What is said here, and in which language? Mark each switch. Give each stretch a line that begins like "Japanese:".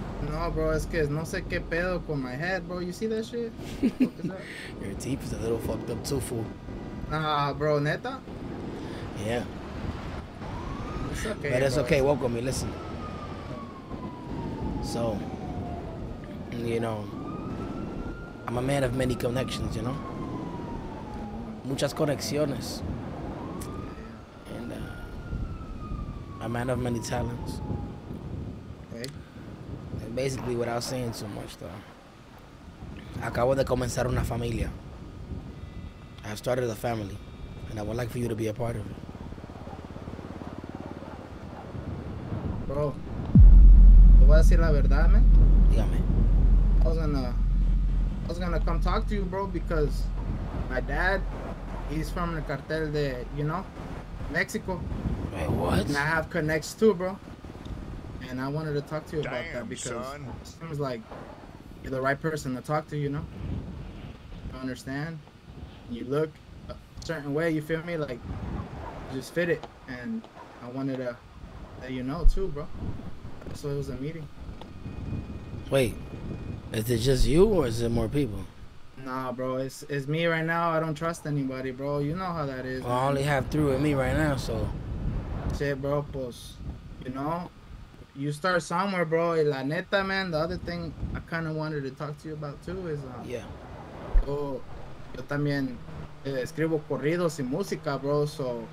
Spanish: No, bro, es que no sé qué pedo con
English: my head,
Spanish: bro.
English: You see that shit? What the fuck is that? Your teeth is a little fucked up too, fool.
Spanish: Bro, ¿neta?
English: Yeah. Okay, but it's okay, walk with me, listen. So, you know, I'm a man of many connections, you know?
Spanish: Muchas conexiones.
English: And a man of many talents. Okay. And basically, without saying too much, though,
Spanish: acabo de comenzar una familia.
English: I have started a family, and I would like for you to be a part of it.
Spanish: Bro, te voy a decir la verdad, man. Dígame.
English: I was gonna come talk to you, bro, because my dad, he's from the cartel de, you know, Mexico. Wait, what? And I have connects too, bro. And I wanted to talk to you about that because it seems like you're the right person to talk to, you know? You understand? You look a certain way, you feel me? Like, you just fit it. And I wanted to... you know too, bro. So it was a meeting. Wait, is it just you or is it more people? Nah, bro, it's me right now. I don't trust anybody, bro. You know how that is. Well, I only have three with me right now, so. Shit, bro,
Spanish: pues,
English: you know, you start somewhere, bro.
Spanish: Y la neta,
English: man, the other thing I kind of wanted to talk to you about too is. Yeah.
Spanish: Oh, yo también escribo corridos y música, bro, so.